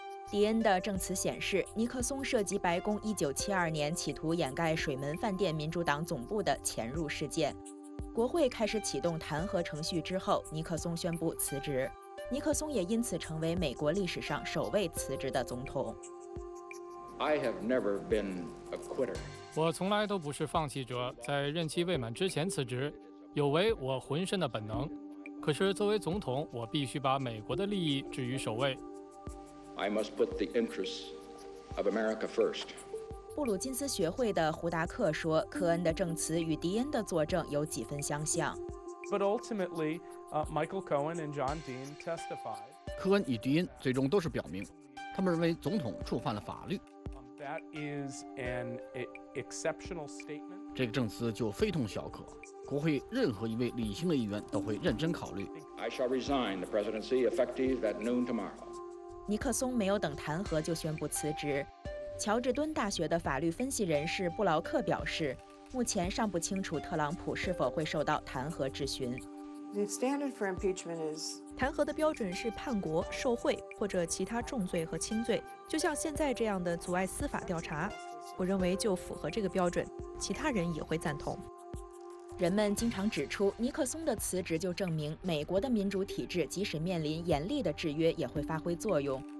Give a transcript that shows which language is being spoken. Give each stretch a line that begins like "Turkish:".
Chinese: 迪恩的证词显示，尼克松涉及白宫1972年企图掩盖水门饭店民主党总部的潜入事件。国会开始启动弹劾程序之后，尼克松宣布辞职。尼克松也因此成为美国历史上首位辞职的总统。
English: I have never been a quitter.
Chinese: 我从来都不是放弃者，在任期未满之前辞职，有违我浑身的本能。可是作为总统，我必须把美国的利益置于首位。
English: I must put the interests of America first.
Chinese: 布鲁金斯学会的胡达克说，科恩的证词与迪恩的作证有几分相像。
English: But ultimately, Michael Cohen and John Dean testified.
Chinese: 科恩与迪恩最终都是表明，他们认为总统触犯了法律。
English: That is an exceptional statement.
Chinese: 这个证词就非同小可，国会任何一位理性的议员都会认真考虑。
English: I shall resign the presidency effective at noon tomorrow.
Chinese: 尼克松没有等弹劾就宣布辞职。乔治敦大学的法律分析人士布劳克表示，目前尚不清楚特朗普是否会受到弹劾质询。
English: The standard for impeachment is
Chinese: 弹劾的标准是叛国、受贿或者其他重罪和轻罪，就像现在这样的阻碍司法调查。我认为就符合这个标准，其他人也会赞同。人们经常指出，尼克松的辞职就证明美国的民主体制即使面临严厉的制约也会发挥作用。